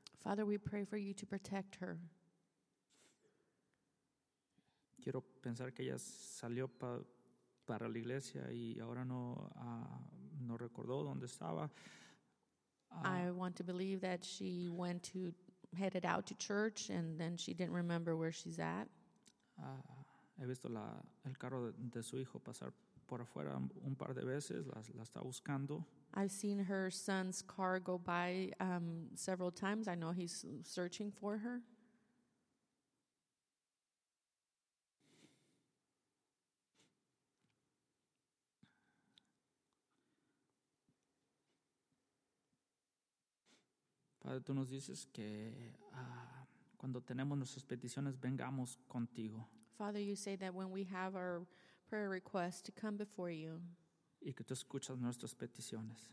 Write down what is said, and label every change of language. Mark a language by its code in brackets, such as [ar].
[en] Father, we pray for you to protect her. [es] Quiero pensar que ella salió para la iglesia y ahora no recordó dónde estaba. [en] I want to believe that she went to headed out to church and then she didn't remember where she's at. [es] He visto el carro de su hijo pasar por afuera un par de veces, la está buscando. [en] I've seen her son's car go by several times. I know he's searching for her. [es] Padre, tú nos dices que cuando tenemos nuestras peticiones, vengamos contigo. [en] Father, you say that when we have our prayer request to come before you. [es] Y que tú escuchas nuestras peticiones.